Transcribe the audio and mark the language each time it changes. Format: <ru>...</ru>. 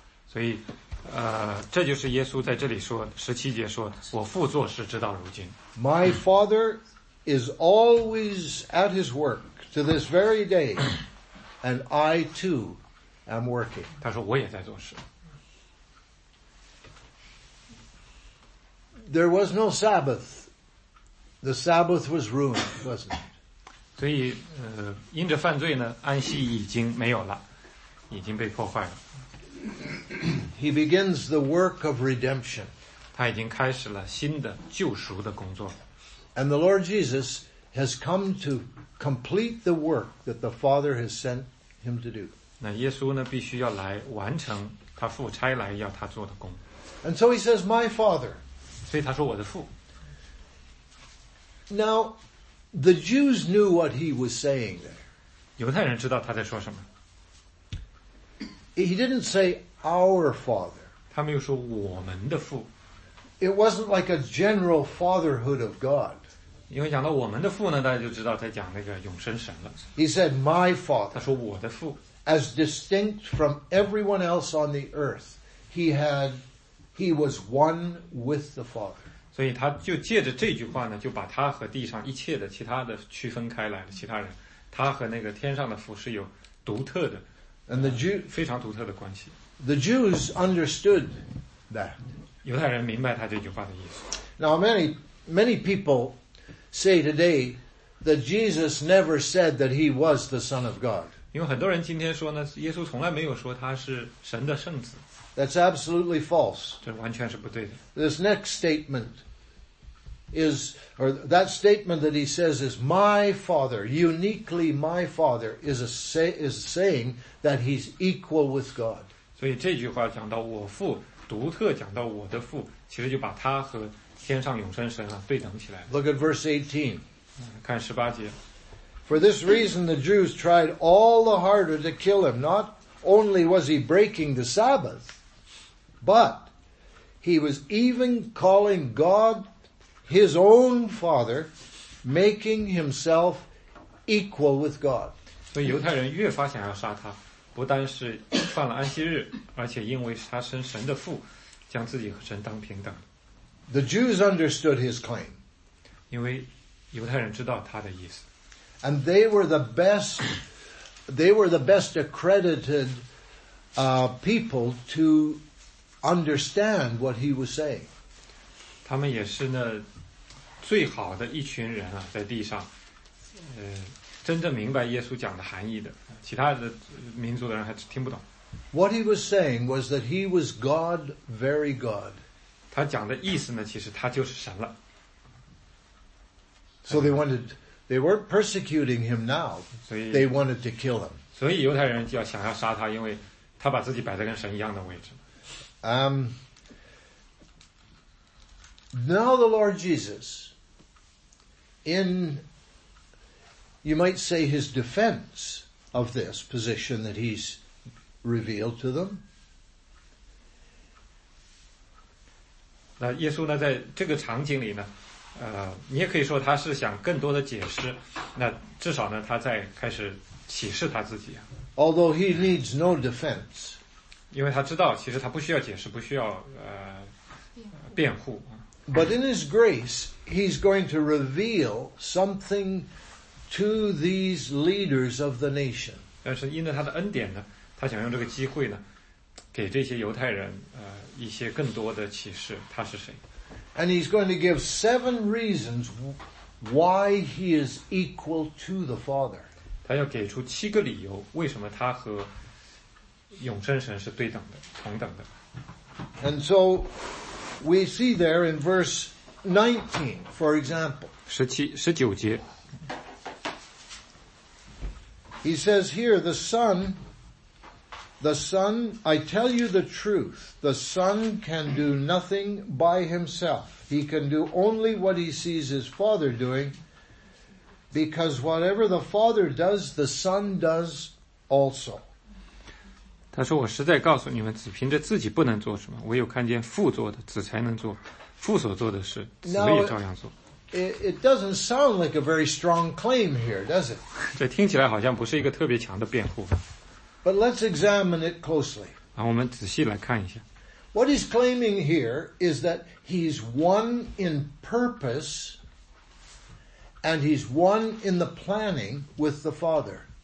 <zh>所以，这就是耶稣在这里说，十七节说，我父做事直到如今。</zh> <en>My Father is always at his work to this very day, and I too am working.</en> <zh>他说我也在做事。</zh> <en>There was no Sabbath. The Sabbath was ruined, wasn't it?</en> <zh>所以，因着犯罪呢，安息已经没有了，已经被破坏了。</zh> <en>He begins the work of redemption.</en> <zh>他已经开始了新的救赎的工作。</zh> <en>And the Lord Jesus has come to complete the work that the Father has sent him to do.</en> <zh>那耶稣呢，必须要来完成他父差来要他做的工。</zh> <en>And so he says, "My Father."</en> <zh>所以他说我的父。</zh> <en>Now, the Jews knew what he was saying there.</en> <zh>犹太人知道他在说什么。</zh> <en>He didn't say our father.</en> <zh>他没有说我们的父。</zh> <en>It wasn't like a general fatherhood of God.</en> <zh>因为讲到我们的父呢，大家就知道他讲那个永生神了。</zh> <en>He said my father.</en> <zh>他说我的父。</zh> <en>As distinct from everyone else on the earth, he was one with the father.</en> <zh>所以他就借着这句话呢，就把他和地上一切的其他的区分开来了。其他人，他和那个天上的父是有独特的。</zh> <en>And the Jew,</en> <zh>非常独特的关系。</zh> <en>The Jews understood that.</en> <zh>犹太人明白他这句话的意思。</zh> <en>Now many people say today that Jesus never said that he was the Son of God.</en> <zh>因为很多人今天说呢，耶稣从来没有说他是神的圣子。</zh> <en>That's absolutely false.</en> <zh>这完全是不对的。</zh> <en>This next statement is, or that statement that he says is my father, uniquely my father, is saying that he's equal with God.</en> <zh>所以这句话讲到我父，独特讲到我的父，其实就把他和天上永生神啊对等起来。</zh> <en>Look at verse 18.</en> <zh>看十八节。</zh> <en>For this reason, the Jews tried all the harder to kill him. Not only was he breaking the Sabbath, but he was even calling God His own father, making himself equal with God.</en> <zh>所以犹太人越发想要杀他，不单是犯了安息日，而且因为他是神的父，将自己和神当平等。</zh> <en>The Jews understood his claim.</en> <zh>因为犹太人知道他的意思。</zh> <en>And they were the best accredited people to understand what he was saying.</en> <zh>他们也是呢。最好的一群人啊，在地上，真正明白耶稣讲的含义的，其他的民族的人还听不懂。</zh> <en>What he was saying was that he was God, very God.</en> <zh>他讲的意思呢，其实他就是神了。</zh> <en>So they weren't persecuting him now. They wanted to kill him.</en> <zh>所以犹太人就要想要杀他，因为他把自己摆在跟神一样的位置。</zh> <en>Now the Lord Jesus, in, you might say, his defense of this position that he's revealed to them.</en> <zh>那耶稣呢，在这个场景里呢，你也可以说他是想更多的解释。那至少呢，他在开始启示他自己啊。</zh> <en>Although he needs no defense,</en> <zh>因为他知道，其实他不需要解释，不需要辩护。</zh> <en>But in his grace, he's going to reveal something to these leaders of the nation.</en> <zh>但是因着他的恩典呢，他想用这个机会呢，给这些犹太人一些更多的启示，他是谁。</zh> <en>And he's going to give seven reasons why he is equal to the Father.</en> <zh>他要给出七个理由，为什么他和永生神是对等的，同等的。</zh> <en>And so,We see there in verse 19, for example.</en> <zh>19节</zh> <en>He says here, the Son, I tell you the truth, the Son can do nothing by himself. He can do only what he sees his Father doing, because whatever the Father does, the Son does also.</en> <zh>他说我实在告诉你们只凭着自己不能做什么唯有看见父做的子才能做父所做的事子也照样做</zh> <en>it doesn't sound like a very strong claim here, does it?</en> <zh>这听起来好像不是一个特别强的辩护</zh> <en>But let's examine it closely.</en> <zh>我们仔细来看一下</zh> <en>What he's claiming here is that he's one in purpose and he's one in the planning with the Father.</en>